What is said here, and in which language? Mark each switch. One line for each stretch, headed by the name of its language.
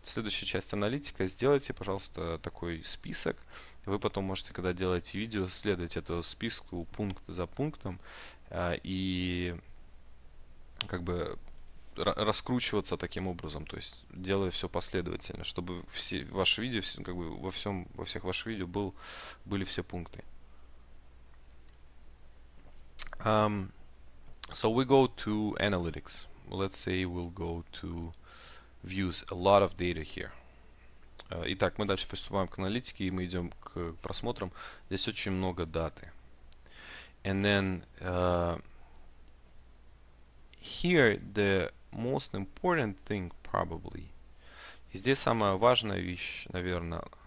Russian: Следующая часть аналитика. Сделайте, пожалуйста, такой список. Вы потом можете, когда делаете видео, следовать этому списку пункт за пунктом и как бы раскручиваться таким образом, то есть делая все последовательно, чтобы все ваши видео, как бы во всех ваших видео были все пункты.
English: So we go to analytics. Let's say we'll go to views. A lot of data here.
Russian: Итак, мы дальше приступаем к аналитике и мы идем к просмотрам. Здесь очень много даты.
English: And then here the most important thing probably.
Russian: И здесь самая важная вещь, наверное.